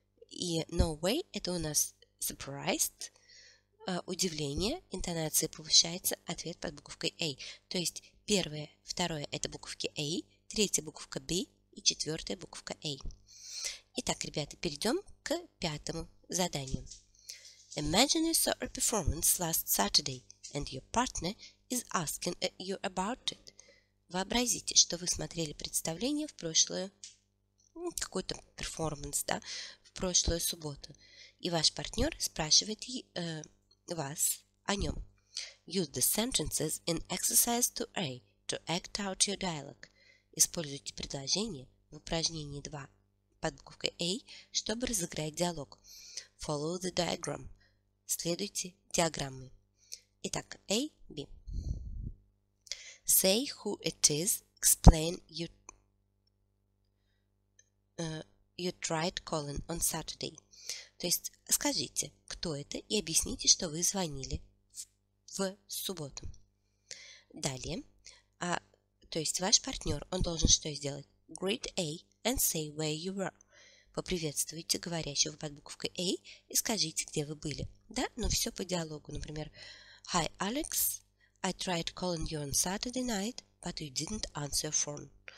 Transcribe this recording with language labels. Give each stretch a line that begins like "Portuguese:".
Russian: И
English: no way
Russian: это у нас surprised, удивление, интонация повышается, ответ под буковкой A. То есть первое, второе это буковки A, третья буковка B и четвертая буковка A. Итак, ребята, перейдем к пятому заданию.
English: Imagine you saw a performance last Saturday and your partner is asking you about it.
Russian: Вообразите, что вы смотрели представление в прошлое, какой-то перформанс, да, в прошлую субботу. И ваш партнер спрашивает вас о нем.
English: Use the sentences in exercise 2A to act out your dialogue.
Russian: Используйте предложение в упражнении 2 под буковкой A, чтобы разыграть диалог.
English: Follow the diagram.
Russian: Следуйте диаграмме. Итак, A, B.
English: Say who it is, explain you tried calling on Saturday.
Russian: То есть скажите, кто это, и объясните, что вы звонили в субботу. Далее, то есть ваш партнер, он должен что сделать?
English: Greet A and say where you were.
Russian: Поприветствуйте говорящего под буквой A и скажите, где вы были. Да, но все по диалогу. Например,
English: Hi, Alex, I tried calling you on Saturday night, but you didn't answer your phone.